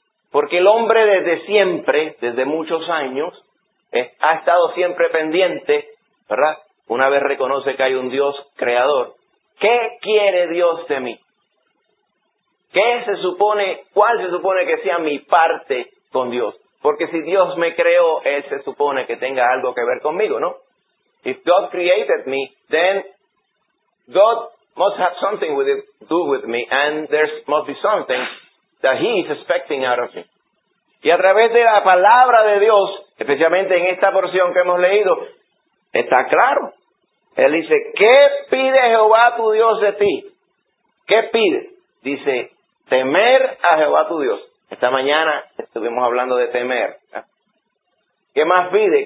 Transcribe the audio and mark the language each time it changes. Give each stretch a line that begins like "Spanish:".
Spanish: Porque el hombre desde siempre, desde muchos años, ha estado siempre pendiente, ¿verdad?, una vez reconoce que hay un Dios creador. ¿Qué quiere Dios de mí? ¿Qué se supone, cuál se supone que sea mi parte con Dios? Porque si Dios me creó, Él se supone que tenga algo que ver conmigo, ¿no?
English: If God created me, then God must have something to do with me, and there must be something that He is expecting out of me.
Spanish: Y a través de la palabra de Dios, especialmente en esta porción que hemos leído, está claro. Él dice, ¿qué pide Jehová tu Dios de ti? ¿Qué pide? Dice, temer a Jehová tu Dios. Esta mañana estuvimos hablando de temer. ¿Qué más pide?